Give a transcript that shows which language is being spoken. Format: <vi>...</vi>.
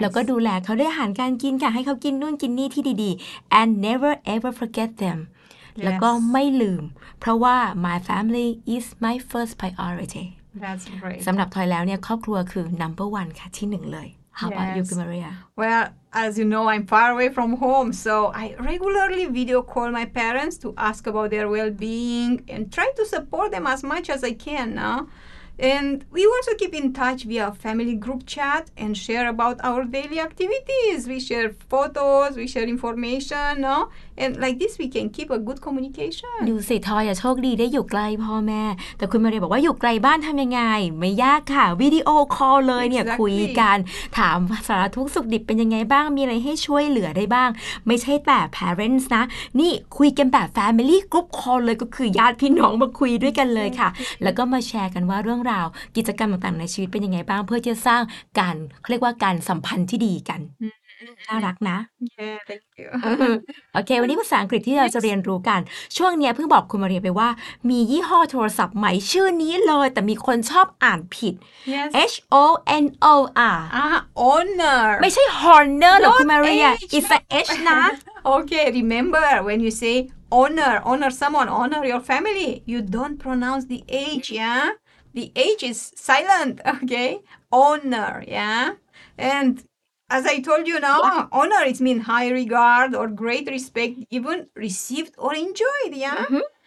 <th>แล้วก็ดูแลเขาด้วยอาหารการกินค่ะให้เขากินนู่นกินนี่ที่ดีๆ</th> <en>and never ever forget them. Yes.</en> <th>แล้วก็ไม่ลืมเพราะว่า</th> <en>my family is my first priority. That's great.</en> <th>สำหรับทอยแล้วเนี่ยครอบครัวคือ</th> <en>number one</en> <th>ค่ะที่หนึ่งเลย</th> <en>How about you, Maria? Well, as you know, I'm far away from home, so I regularly video call my parents to ask about their well-being and try to support them as much as I can, no? And we also keep in touch via family group chat and share about our daily activities. We share photos, we share information, no? And like this, we can keep a good communication.</en> <th>ดูสิทอยโชคดีได้อยู่ใกล้พ่อแม่แต่คุณมาเรียบอกว่าอยู่ไกลบ้านทำยังไงไม่ยากค่ะวิดีโอคอลเลยเนี่ยคุยกันถามสารทุกข์สุขดิบเป็นยังไงบ้างมีอะไรให้ช่วยเหลือได้บ้างไม่ใช่แต่ parents นะนี่คุยกันแบบ</th> <en>family group call</en> <th>เลยก็คือญาติพี่น้องมาคุยด้วยกันเลยค่ะแล้วก็มาแชร์กันว่าเรื่องราวกิจกรรมต่างๆในชีวิตเป็นยังไงบ้างเพื่อจะสร้างการเรียกว่าการสัมพันธ์ที่ดีกันน่ารักนะ</th> <en>yeah, thank you</en> <th>โอเควันนี้ภาษาอังกฤษที่เราจะเรียนรู้กันช่วงนี้เพิ่งบอกคุณมาเรียไปว่ามียี่ห้อโทรศัพท์ใหม่ชื่อนี้เลยแต่มีคนชอบอ่านผิด</th> <en>yes. HONOR Honor</en> <th>ไม่ใช่ Honor หรอกคุณมาเรีย</th> <en>It's a H</en> <th>นะ</th> <en>Okay, remember when you say honor, honor someone, honor your family you don't pronounce the H, yeah? The H is silent, okay? Honor, yeah? AndAs I told you now, honor, it means high regard or great respect, even received or enjoyed, yeah? Mm-hmm.</en>